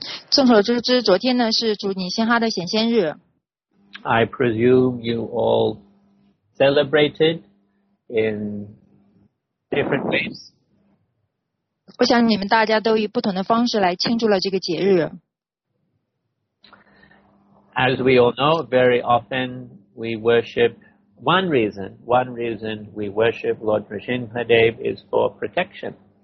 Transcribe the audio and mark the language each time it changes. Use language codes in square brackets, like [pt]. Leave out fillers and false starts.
[zh] 众所周知，昨天呢是主女仙哈的显仙日。 [en] I presume you all celebrated in different ways. [zh] 我想你们大家都以不同的方式来庆祝了这个节日。 [en] As we all know, very often we worship one reason we worship Lord Narasimhadev is for protection.